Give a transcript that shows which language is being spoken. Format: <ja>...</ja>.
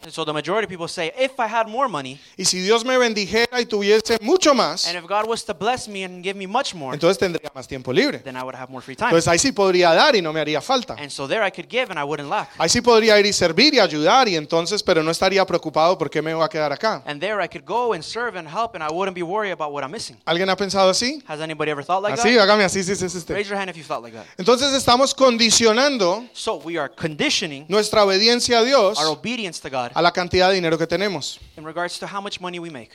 <en>And so the majority of people say, if I had more money.</en> <es>Y si Dios me bendijera y tuviese mucho más.</es> <en>And if God was to bless me and give me much more.</en> <es>Entonces tendría más tiempo libre.</es> <en>Then I would have more free time.</en> <es>Entonces ahí sí podría dar y no me haría falta.</es> <en>And so there I could give and I wouldn't lack.</en> <es>Ahí sí podría ir y servir y ayudar y entonces, pero no estaría preocupado por qué me voy a quedar acá.</es> <en>And there I could go and serve and help and I wouldn't be worried about what I'm missing.</en> <es>¿Alguien ha pensado así?</es> <en>Has anybody ever thought like</en> <es>así,</es> <en>that?</en> <es>Hágame así, sí, sí, sí.</es> <en>Raise your hand if you thought like that.</en> <es>Entonces estamos condicionando</es> <en>so we are conditioning</en> <es>nuestra obediencia a Dios</es> <en>our obedience to God</en> <es>a la cantidad de dinero que tenemos.</es> <en>In regards to how much money we make.</en>